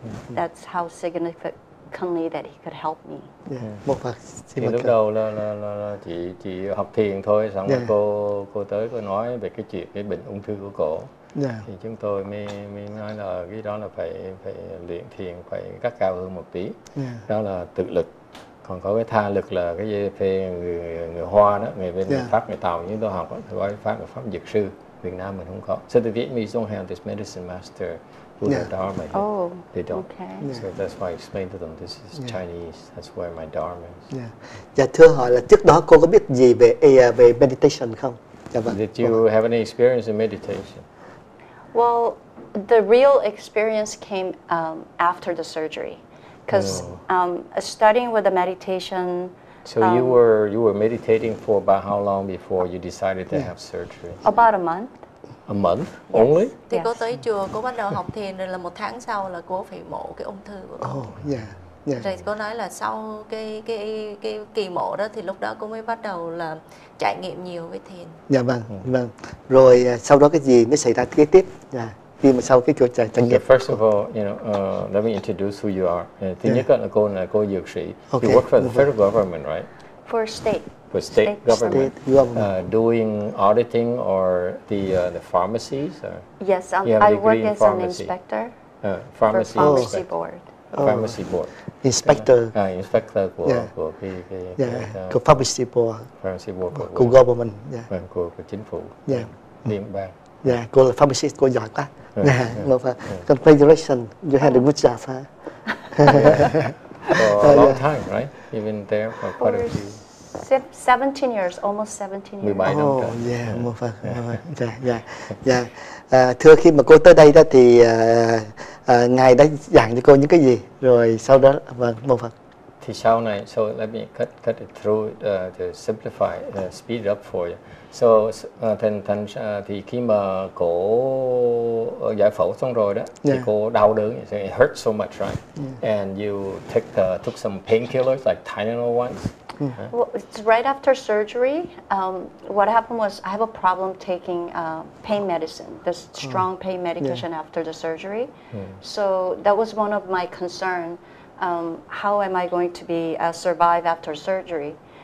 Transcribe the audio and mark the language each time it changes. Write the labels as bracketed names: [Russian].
[English] That's how significantly that he could help me. [Vietnamese] Lúc đầu là chị học thiền thôi, xong rồi cô tới cô nói về cái chuyện cái bệnh ung thư của cổ. Thì chúng tôi mới nói là cái đó là phải luyện thiền, phải cắt cao hơn một tí. Đó là tự lực. Còn có cái tha lực là cái gì phê người Hoa đó, người bên Pháp, người Tàu, như tôi học đó, gọi Pháp dược sư, Việt Nam mình không có. [English] So the Vietnamese don't have this medicine master Buddha Dharma here. They don't. Okay. So that's why I explained to them, this is Chinese, that's where my Dharma is. [Vietnamese] Dạ, thưa hỏi là trước đó cô có biết gì về meditation không? [English] Did you have any experience in meditation? Well, the real experience came after the surgery. Because studying with the meditation. So you were meditating for about how long before you decided to have surgery? About a month. A month only? [Vietnamese] Thì cô tới chùa, cô bắt đầu học thiền rồi là một tháng sau là cô phải mổ cái ung thư của cô. Rồi cô nói là sau cái kỳ mổ đó thì lúc đó cô mới bắt đầu là trải nghiệm nhiều với thiền. Vâng. Rồi sau đó cái gì nó xảy ra kế tiếp? [English] First of all, you know, let me introduce who you are. [Vietnamese] Thứ nhất là cô này, cô dược sĩ. [English] You work for the federal government, right? For state government. Doing auditing or the pharmacies? Yes, I work as an inspector. Pharmacy board. pharmacy board. Inspector. [Vietnamese] À, inspector của [English] của pharmacy board. Pharmacy board [Vietnamese] của government. Yeah. Vâng, của chính phủ. [English] Yeah. [Vietnamese] Liên bang. Yeah, cô là pharmacist, cô giỏi quá. [English] Congratulations, you had a good job, huh? For a long time, right? You've been there for quite a few. 17 years, almost 17 years. 17 oh, yeah, yeah. [Vietnamese] Một phần. Thưa khi mà cô tới đây đó thì ngài đã dạng cho cô những cái gì rồi sau đó vâng một phần. Thì sau này, [English] so let me cut it through to simplify, speed up for you. [Vietnamese] So thì khi mà cô giải phẫu xong rồi đó, thì cô đau đớn, [English] it hurts so much, right? Yeah. And you take took some painkillers like Tylenol ones. Yeah. Well, it's right after surgery, what happened was I have a problem taking pain medicine, the strong pain medication after the surgery. So that was one of my concern, how am I going to be survive after surgery?